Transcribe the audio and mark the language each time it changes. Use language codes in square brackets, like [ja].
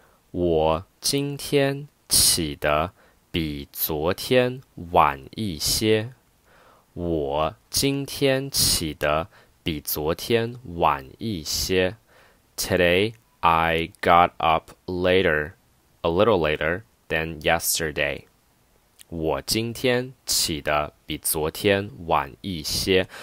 [zh] 我今天起得比昨天晚一些。我今天起得比昨天晚一些。 [en] Today,I got up later, a little later than yesterday. [zh] 我今天起得比昨天晚一些。